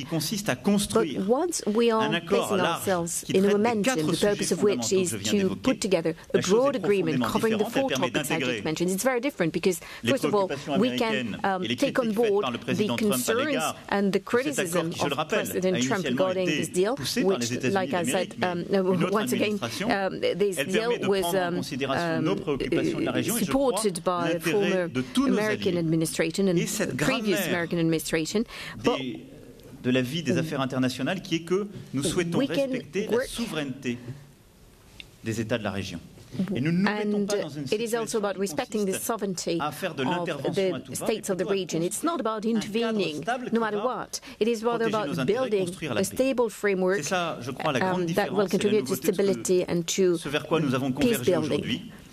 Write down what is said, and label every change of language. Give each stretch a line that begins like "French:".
English: But once we are placing ourselves in a momentum, the purpose of which is to put together a broad agreement covering the four topics I just mentioned, it's very different, because first of all, we can take on board the concerns and the criticism of President Trump regarding this deal, which, like I said, once again, this deal was supported by the former American administration and the previous American administration. But
French: de la vie des affaires internationales, qui est que nous souhaitons respecter la souveraineté des États de la région.
English: And it is also about respecting the sovereignty of the states of the region. It's not about intervening, no matter what. It is rather about building a stable framework that will contribute to stability and to peace building.